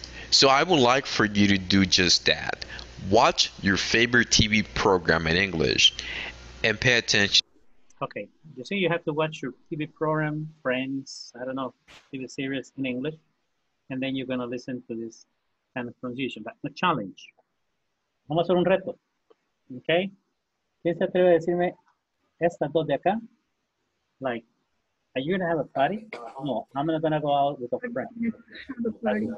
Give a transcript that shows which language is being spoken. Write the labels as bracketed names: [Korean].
[English] So I would like for you to do just that. Watch your favorite TV program in English and pay attention. Okay, you see, you have to watch your TV program, Friends, I don't know, TV series in English, and then you're gonna listen to this kind of pronunciation. But the challenge. [Spanish] Vamos a hacer un reto. Okay? ¿Quién se atreve a decirme estas dos de acá? [English] Like, are you gonna have a party? No, I'm not gonna go out with a friend.